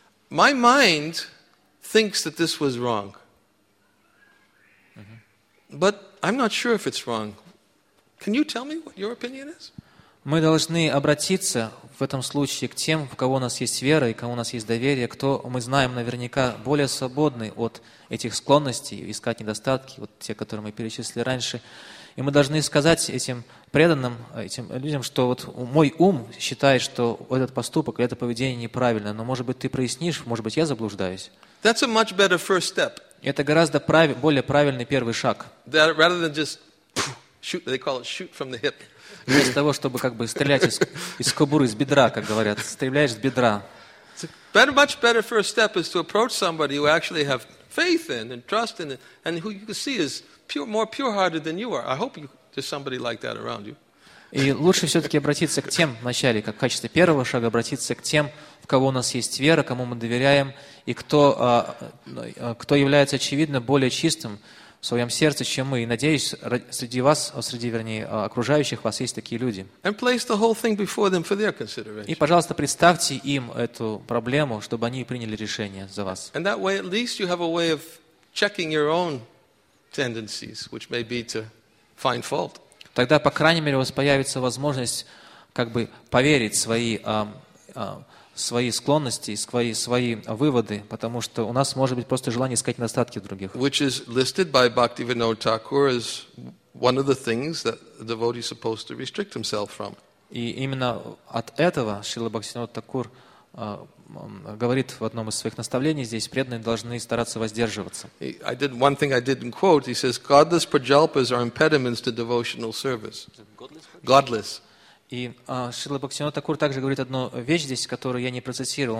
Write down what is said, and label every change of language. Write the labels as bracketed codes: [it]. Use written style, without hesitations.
[en] My mind thinks that this was wrong, but I'm not sure if it's wrong. Can you tell me what your opinion is? [ru] Мы должны обратиться в этом случае к тем, в кого у нас есть вера и кому у нас есть доверие, кто мы знаем наверняка более свободный от этих склонностей, искать недостатки, вот те, которые мы перечислили раньше. И мы должны сказать этим преданным, этим людям, что вот мой ум считает, что этот поступок, это поведение неправильно, но, может быть, ты прояснишь, может быть, я заблуждаюсь. [en] That's a much better first step. [ru] Это гораздо более правильный первый шаг. [en] That, rather than just shoot, they call it shoot from the hip. [ru] Вместо того, чтобы как бы стрелять из кобуры, из бедра, как говорят, стреляешь с бедра. [en] Much better first step is to approach somebody who actually have faith in and trust in and who you can see is pure, more pure-hearted than you are. I hope there's somebody like that around you. [ru] И лучше все-таки обратиться к тем вначале, как в качестве первого шага, обратиться к тем, в кого у нас есть вера, кому мы доверяем, и кто является, очевидно, более чистым в своем сердце, чем мы. И, надеюсь, среди вас, среди, вернее, окружающих вас есть такие люди. [en] And place the whole thing before them for their consideration. [ru] И, пожалуйста, представьте им эту проблему, чтобы они приняли решение за вас. [en] And that way, at least you have a way of checking your own tendencies, which may be to find fault. [ru] Тогда, по крайней мере, у вас появится возможность как бы поверить свои, свои склонности, свои выводы, потому что у нас может быть просто желание искать недостатки в других. [en] Which is listed by Bhaktivinoda Thakur as one of the things that the devotee is supposed to restrict himself from. [ru] И именно от этого Шрила Бхактивинода Такур говорит в одном из своих наставлений здесь, преданные должны стараться воздерживаться. [en] I did one thing I didn't quote. He says, godless prajalpas are impediments to devotional service. Godless. [ru] И Шрила Бхактивинода Такур также говорит одну вещь здесь, которую я не процитировал.